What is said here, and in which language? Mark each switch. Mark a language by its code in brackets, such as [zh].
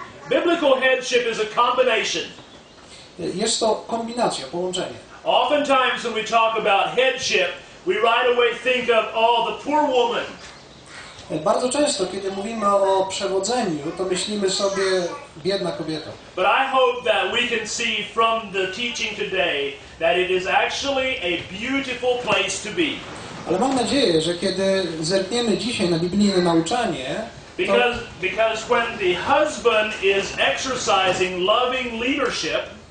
[en] Biblical headship is a combination. [pl] Jest to kombinacja, połączenie. [en] Oftentimes when we talk about headship, we right away think of all the poor woman. [pl] Bardzo często, kiedy mówimy o przewodzeniu, to myślimy sobie biedna kobieta. [en] But I hope that we can see from the teaching today that it is actually a beautiful place to be. [pl] Ale mam nadzieję, że kiedy zerkniemy dzisiaj na biblijne nauczanie, [en] because when the husband is exercising loving leadership,